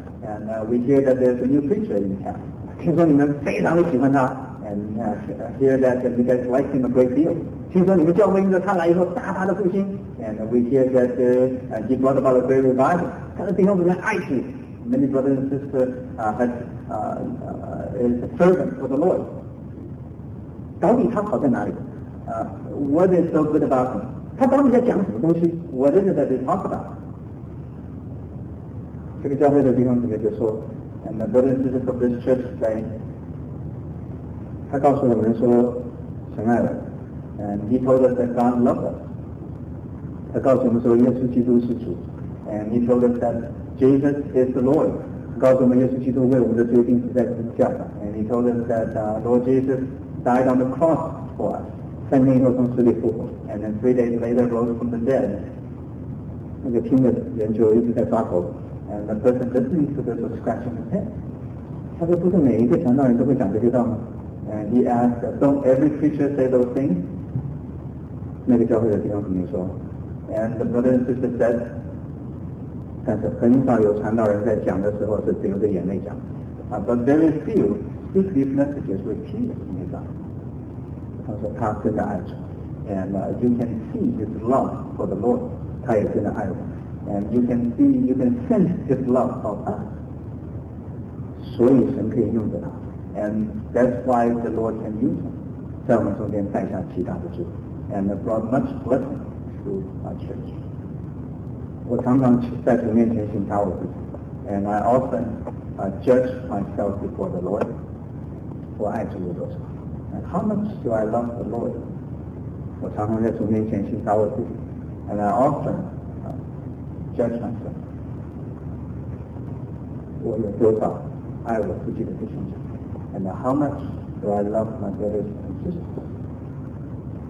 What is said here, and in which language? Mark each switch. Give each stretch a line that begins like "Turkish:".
English: And we hear that there's a new preacher in town。
Chinese: 听说你们非常的喜欢他。
English: And hear that you guys like him a great deal。
Chinese: 听说你们教会因着他来以后大大的复兴。
English: And we hear that he brought about a great revival。
Chinese: 他的弟兄姊妹爱主。
English: Many brothers and sisters is a servant for the Lord。
Chinese: 到底他好在哪里？
English: What is so good about him？
Chinese: 他到底在讲什么东西？
English: What is it that they talk about？
Chinese: 这个教会的地方里面就说，
English: And the brothers and sisters of this church say，
Chinese: 他告诉我们说神爱了。
English: And he told us that God loved us。
Chinese: 他告诉我们说耶稣基督是主。
English: And he told us thatJesus is the Lord。
Chinese: 告诉我们耶稣基督为我们的罪钉死在十字架上。
English: And he told us that Lord Jesus died on the cross for us。
Chinese: 三天以后从死里复活。
English: And then 3 days later rose from the dead。
Chinese: 那个听的人就一直在抓头。
English: And the person listening to this was scratching his head。
Chinese: 他说不是每一个传道人都会讲这些道吗？
English: And he asked, don't every preacher say those things？
Chinese: 那个教会的弟兄肯定说。
English: And the brother and sister said，
Chinese: 但是很少有传道人在讲的时候是流着眼泪讲的。
English: But very few speak these messages with tears in his eyes。
Chinese: 他说他真的爱主。
English: And you can see his love for the Lord。
Chinese: 他也真的爱我。
English: And you can see, you can sense his love for us。
Chinese: 所以神可以用着他。
English: And that's why the Lord can use him。
Chinese: 在我们中间带下极大的祝福。
English: And brought much blessing to our church。
Chinese: 我常常在主面前审查我自己。
English: And I often judge myself before the Lord。
Chinese: 我爱主有多少？
English: And how much do I love the Lord？
Chinese: 我常常在主面前审查我自己。
English: And I often judge myself。
Chinese: 我有多少爱我自己的弟兄姊妹？
English: And how much do I love my brothers and sisters？